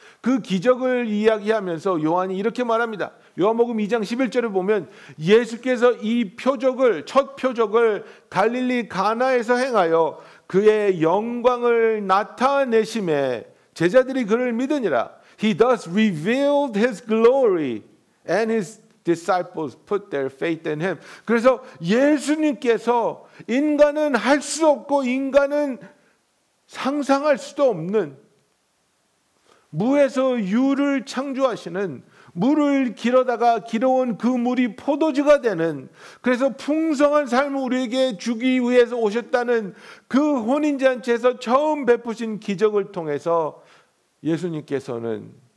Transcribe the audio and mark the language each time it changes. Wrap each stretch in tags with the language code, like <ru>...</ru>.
<ko>그 기적을 이야기하면서 요한이 이렇게 말합니다. 요한복음 2장 11절을 보면 예수께서 이 표적을, 첫 표적을 갈릴리 가나에서 행하여 그의 영광을 나타내심에 제자들이 그를 믿으니라.</ko> <en>He thus revealed his glory and his disciples put their faith in him.</en> <ko>그래서 예수님께서 인간은 할 수 없고 인간은 상상할 수도 없는 무에서 유를 창조하시는, 물을 길어다가 길어온 그 물이 포도주가 되는, 그래서 풍성한 삶을 우리에게 주기 위해서 오셨다는 그 혼인잔치에서 처음 베푸신 기적을 통해서 예수님께서는</ko>